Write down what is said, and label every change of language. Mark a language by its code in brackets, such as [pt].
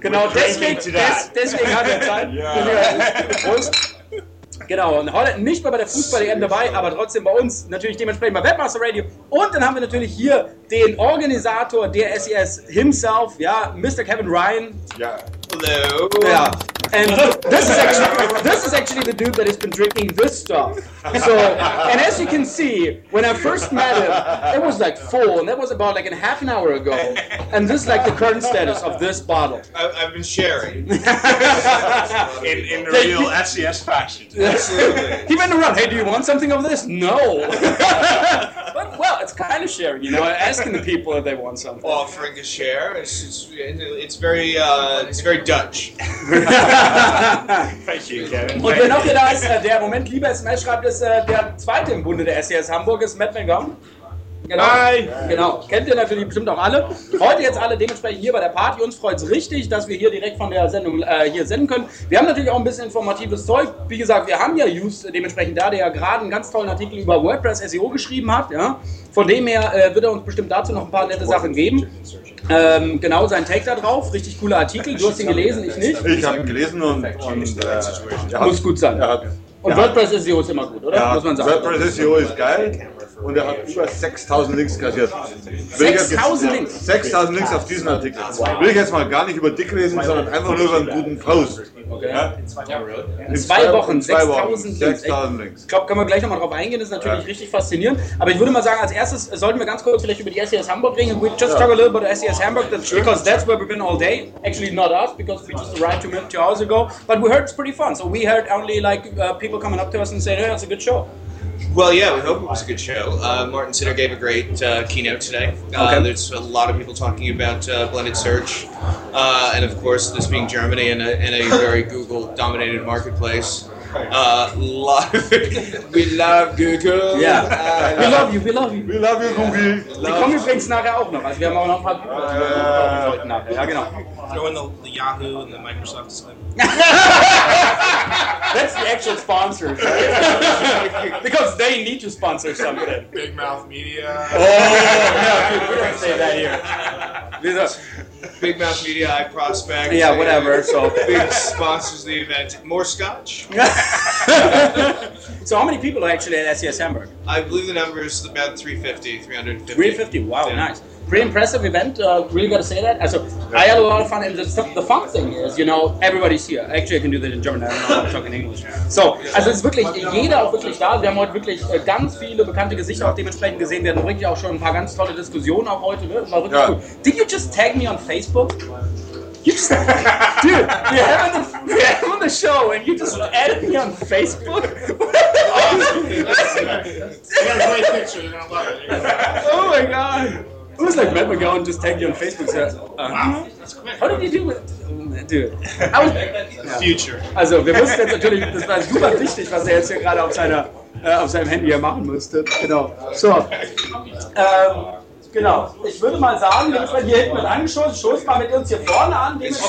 [de] Genau, deswegen hat er Zeit. [en] Yeah. [de] Prost. Genau, und heute nicht mal bei der Fußball-EM dabei, aber trotzdem bei uns natürlich dementsprechend bei Webmaster Radio. Und dann haben wir natürlich hier den Organisator der SES himself, ja, Mr. Kevin Ryan. Ja. [en] Hello. [de] Ja. [en] And this is actually the dude that has been drinking this stuff. So, and as you can see, when I first met him, it was like 4, and that was about like a half an hour ago. And this is like the current status of this bottle. I've been sharing. in the real SES fashion. Absolutely. He went around, hey, do you want something of this? No. But, well, it's kind of sharing, you know, asking the people if they want something. Well, offering a share, it's very Dutch. Thank you, Kevin. [de] Und wer noch hier da ist, der im Moment lieber SMS schreibt, ist der zweite im Bunde der SES Hamburg, ist Matt McGon. Genau. Hi! Genau, kennt ihr natürlich bestimmt auch alle. Heute jetzt alle dementsprechend hier bei der Party. Uns freut es richtig, dass wir hier direkt von der Sendung hier senden können. Wir haben natürlich auch ein bisschen informatives Zeug. Wie gesagt, wir haben ja Jus dementsprechend da, der ja gerade einen ganz tollen Artikel über WordPress-SEO geschrieben hat. Ja? Von dem her wird er uns bestimmt dazu noch ein paar nette Sachen geben. Genau, sein Take da drauf. Richtig cooler Artikel. Du hast ihn gelesen, ich nicht. Ich habe ihn gelesen und muss gut sein. Und WordPress-SEO ist immer gut, oder? Ja, muss man sagen. WordPress-SEO ist geil. Und er hat über 6.000 Links kassiert. 6.000 Links? 6.000 Links auf diesen Artikel. Will ich jetzt mal gar nicht über dick lesen, sondern einfach nur über einen guten Post. Okay. Ja? In zwei Wochen. Ja, [en] really? [de] Ja. In zwei Wochen 6.000 Links. Ich glaube, können wir gleich nochmal drauf eingehen, das ist natürlich ja richtig faszinierend. Aber ich würde mal sagen, als erstes sollten wir ganz kurz vielleicht über die SES Hamburg reden. [en] We just [de] ja [en] talk a little about SES Hamburg, that's sure, because that's where we've been all day. Actually not us, because we just arrived two hours ago. But we heard it's pretty fun. So we heard only like people coming up to us and saying, hey, that's a good show. Well, yeah, we hope it was a good show. Martin Sinner gave a great keynote today. Okay. There's a lot of people talking about blended search. And of course, this being Germany and in a very Google-dominated marketplace. We love Google. Yeah. We love you, we love you. We love you, Google. [de] Wir kommen übrigens nachher auch noch. Also wir haben auch noch ein paar Google-Leute nachher. Ja, genau. [en] Throw in the Yahoo and the Microsoft slip. That's the actual sponsor. Right? Because they need to sponsor something. Big Mouth Media. Oh, no, dude, we don't say that here. Big Mouth Media, I Prospect. Yeah, whatever. So big sponsors the event. More scotch. So how many people are actually at SES Hamburg? I believe the number is about 350, 350. 350, wow, yeah, nice. Pretty impressive event, really gotta say that. So I had a lot of fun, and the fun thing is, you know, everybody's here. Actually, I can do that in German, I don't know how to talk in English. [de] So, also es ist wirklich, jeder auch wirklich da. Wir haben heute wirklich ganz viele bekannte Gesichter auch dementsprechend gesehen. Wir hatten wirklich auch schon ein paar ganz tolle Diskussionen auch heute. Ne? War wirklich cool. [en] Did you just tag me on Facebook? Dude, we're having the show and you just added me on Facebook? Awesome. You got a great picture, you're gonna love it. Oh my god. It was like Matt McGowan just tagged you on Facebook. So, wow, mm-hmm, that's quick. How did you do it? Dude. I was, yeah. Future. [de] Also, wir wussten jetzt natürlich, das war super wichtig, was jetzt hier gerade auf seinem Handy hier machen musste. Genau. So. Genau. Ich würde mal sagen, wir müssen hier hinten mit angeschossen. Schuss mal mit uns hier vorne an.